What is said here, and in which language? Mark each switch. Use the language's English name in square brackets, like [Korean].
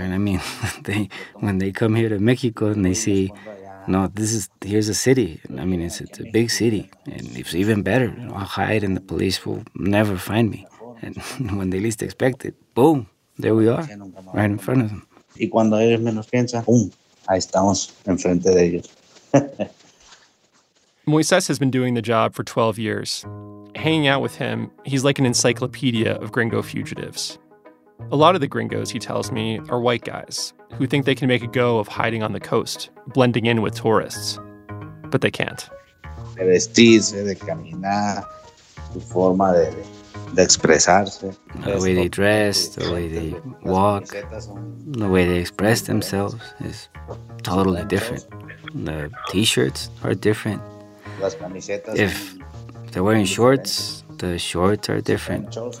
[English] And I mean, when they come here to Mexico and they see, no, here's a city. I mean, it's a big city. And it's even better. I'll hide and the police will never find me. And when they least expect it, boom, there we are, right in front of them. [Spanish] Y cuando ellos menos piensan, boom, ahí estamos, enfrente de ellos. [English] Moises has been doing the job for 12 years. Hanging out with him, he's like an encyclopedia of gringo fugitives. A lot of the gringos, he tells me, are white guys who think they can make a go of hiding on the coast, blending in with tourists. But they can't. [Spanish] De vestirse, de caminar, su forma de expresarse. [English] The way they dress, the way they walk, the way they express themselves is totally different. The t-shirts are different. If they're wearing shorts, the shorts are different.